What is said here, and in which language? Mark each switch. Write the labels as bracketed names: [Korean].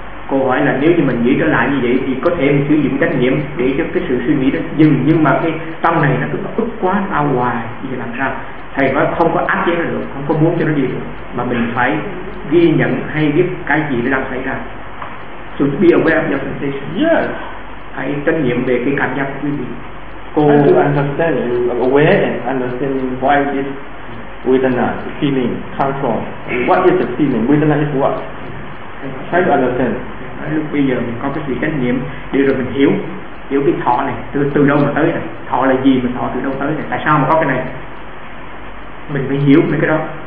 [Vietnamese] Câu hỏi là nếu như mình nghĩ trở lại như vậy thì có thể sử dụng trách nhiệm để cho cái sự suy nghĩ đó dừng, nhưng mà cái tâm này nó cứ ức quá đau hoài thì làm sao? Thầy nói không có áp chế nó được, không có muốn cho nó gì được, mà mình phải ghi nhận hay biết cái gì nó đang xảy ra. [English] So be aware of your sensation. Yes. [Vietnamese] Hãy trách nhiệm về cái cảm giác của quý vị. [English] Cô to understand, aware and understand why this vedana feeling comes from. What is the feeling? Vedana is what? Try to understand. [Vietnamese] Bây giờ mình có cái sự trách nhiệm để rồi mình hiểu, hiểu cái thọ này từ đâu mà tới này, thọ là gì mà thọ từ đâu tới này, tại sao mà có cái này, mình phải hiểu mấy cái đó.